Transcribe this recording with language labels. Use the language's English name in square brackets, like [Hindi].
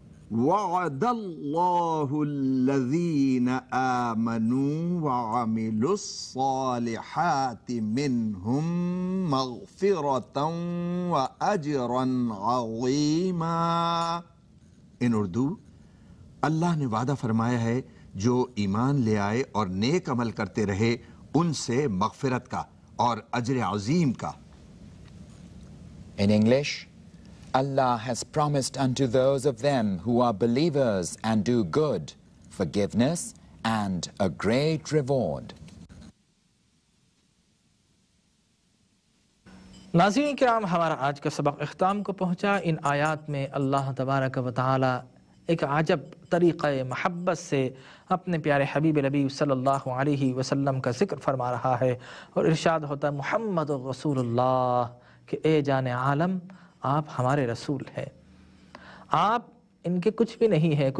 [Arabic] وعد الله الذين آمنوا وعملوا الصالحات منهم مغفرة وأجرا عظيما. [Urdu] ان اردو، اللہ نے وعدہ فرمایا ہے جو ایمان لے آئے اور نیک عمل کرتے رہے ان سے مغفرت کا اور اجر عظیم کا. [English] In English, Allah has promised unto those of them who are believers and do good forgiveness and a great reward. [Urdu] ناظرین کرام، ہمارا آج کا سبق اختتام کو پہنچا. ان آیات میں اللہ تبارک و تعالی ایک عجب طریقہ محبت سے اپنے پیارے حبیب نبی صلی اللہ علیہ وسلم کا ذکر فرما رہا ہے اور ارشاد ہوتا ہے [Arabic] محمد رسول اللہ [Urdu] کہ اے جان عالم، آپ ہمارے رسول ہیں، آپ ان کے کچھ بھی نہیں ہیں.